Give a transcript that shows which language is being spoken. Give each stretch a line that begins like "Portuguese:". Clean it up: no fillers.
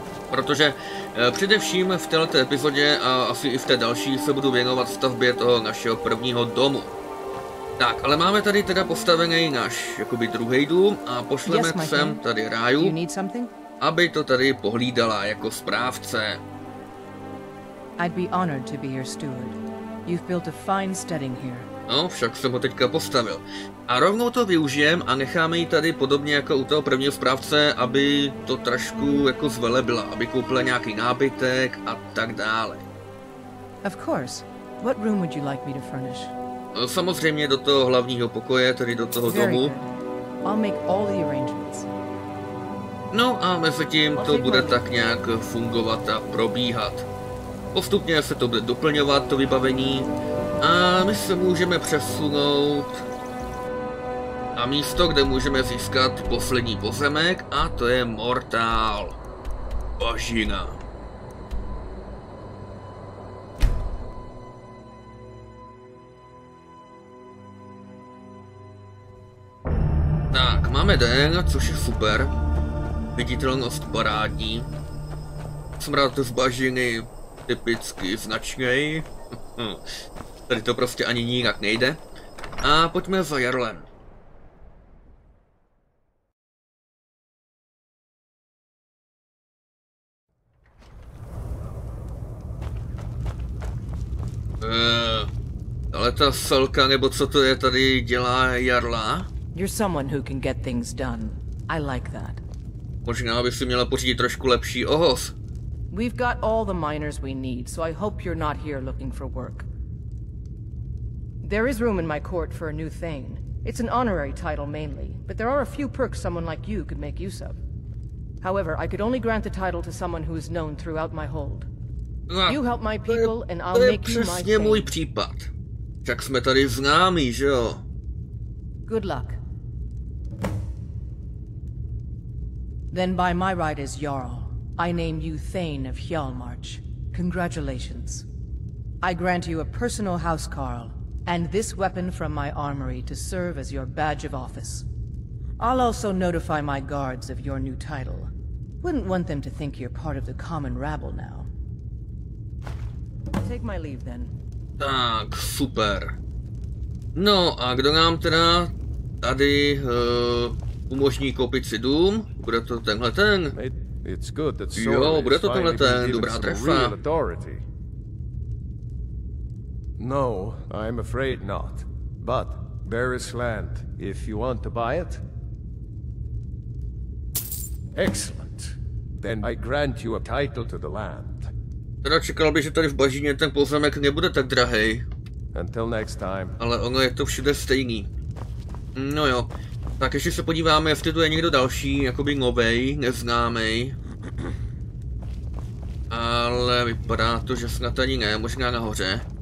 Czech: Protože především v této epizodě a asi i v té další se budu věnovat stavbě toho našeho prvního domu. Tak, ale máme tady teda postavený náš jakoby druhý dům a pošleme sem tady Ráju, aby to tady pohlídala jako správce.
English: I'd be honored to be your steward. You've built a fine studding here.
Czech: No, však jsem ho teďka postavil. A rovnou to využijem a necháme ji tady podobně jako u toho prvního správce, aby to trošku jako zvelebila, aby koupila nějaký nábytek a tak dále.
English: Of course. What room would you like me to furnish?
Czech: No, samozřejmě do toho hlavního pokoje, tedy do toho domu.
English: I'll make all the arrangements.
Czech: No a mezi tím to bude tak nějak fungovat a probíhat. Postupně se to bude doplňovat, to vybavení. A my se můžeme přesunout na místo, kde můžeme získat poslední pozemek, a to je Mortál. Bažina. Tak, máme den, což je super. Viditelnost parádní. Smrad z bažiny typicky značnej. Tady to prostě ani nijak nejde. A pojďme za Jarlem. Ale ta selka, nebo co to je, tady dělá Jarla?
English: You're someone who can get things done. I like that.
Czech: Možná by si měla pořídit trošku lepší ohos.
English: We've got all the miners we need, so I hope you're not here looking for work. There is room in my court for a new thane. It's an honorary title mainly, but there are a few perks someone like you could make use of. However, I could only grant the title to someone who is known throughout my hold. You help my people and I'll make you my thane.
Czech: To je přesně můj případ. Však jsme tady známí, že jo?
English: Good luck. Then by my right is Jarl. I name you Thane of Hjalmarch. Congratulations. I grant you a personal housecarl, and this weapon from my armory to serve as your badge of office. I'll also notify my guards of your new title. Wouldn't want them to think you're part of the common rabble now. take my leave then.
Czech: Tak, super. No a kdo nám teda tady umožní koupit si dům? Bude to tenhle ten? Jo, bude to tenhle ten, dobrá trefa.
English: No, I'm afraid not. But there is land, if you want to buy it. Excellent. Then I grant you a title to the land.
Czech: Teda čekal bych, že tady v Bažíně ten pozemek nebude tak drahý.
English: Until next time.
Czech: Ale ono je to všude stejný. No jo. Tak ještě se podíváme, jestli tu je někdo další, jakoby novej, neznámej. Ale vypadá to, že snad ani ne, možná nahoře.